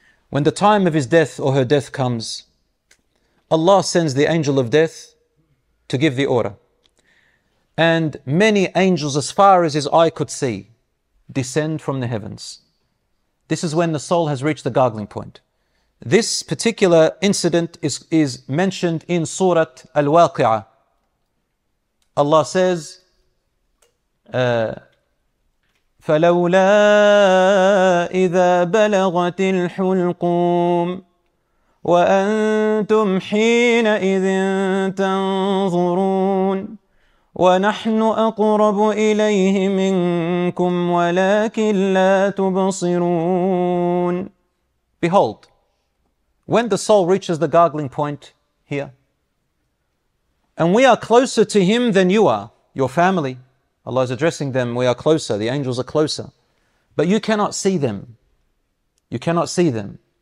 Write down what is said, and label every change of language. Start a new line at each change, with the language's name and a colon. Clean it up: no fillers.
English: When the time of his death or her death comes, Allah sends the angel of death to give the order. And many angels, as far as his eye could see, descend from the heavens. This is when the soul has reached the gargling point. This particular incident is mentioned in Surah Al-Waqi'ah. Allah says,
Arabic: فَلَوْلَا إِذَا بَلَغَتِ الْحُلْقُومِ وَأَنْتُمْ حِينَئِذٍ تَنْظُرُونَ وَنَحْنُ أَقْرَبُ إِلَيْهِ مِنْكُمْ وَلَكِنْ لَا تُبَصِرُونَ.
English: Behold, when the soul reaches the gargling point here, and we are closer to him than you are, your family, Allah is addressing them, we are closer, the angels are closer, but you cannot see them. You cannot see them.